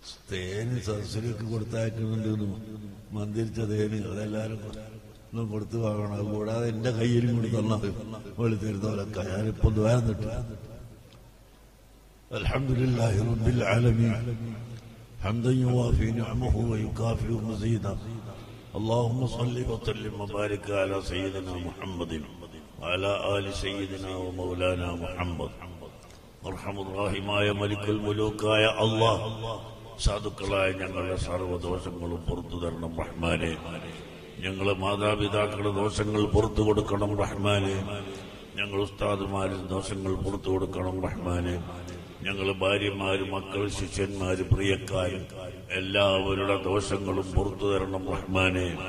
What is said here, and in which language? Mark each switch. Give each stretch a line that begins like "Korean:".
Malayalam: തേനി സദസ്സിലേക്ക് കൊടുത്തയക്കുന്നുണ്ട് മന്ദിരിച്ച തേനി. അതെല്ലാരും കൊടുത്തു വാങ്ങണം. അത് കൂടാതെ എന്റെ കയ്യിലും കൂടി തന്നെ വെളി തീരുന്നവരൊക്കെ ഞാനിപ്പോ വരുന്നിട്ട്
Arabic: അൽഹംദുലില്ലാഹി റബ്ബിൽ ആലമീൻ ഹംദൻ യുവാഫി നിഅമഹു വയുകാഫി മസീദ. اللهم صل وسلم وبارك على سيدنا محمد وعلى ال سيدنا ومولانا محمد. ارحم الراحم يا ملك الملوك يا الله
Malayalam: صادقളായ ഞങ്ങളുടെ സർവ്വ ദോഷങ്ങളും പുറത്തു തരണം റഹ്മാനേ. ഞങ്ങളെ മാതാപിതാക്കളുടെ ദോഷങ്ങൾ പുറത്തു കൊടുക്കണം റഹ്മാനേ. ഞങ്ങൾ ഉസ്താദുമാരുടെ ദോഷങ്ങൾ പുറത്തു കൊടുക്കണം റഹ്മാനേ. ഞങ്ങളെ ഭാര്യമാര് മക്കൾ ശിഷ്യന്മാര് പ്രിയക്കാർ എല്ലാവരുടെ ദോഷങ്ങളും പുറത്തു തരണം റഹ്മാനേ.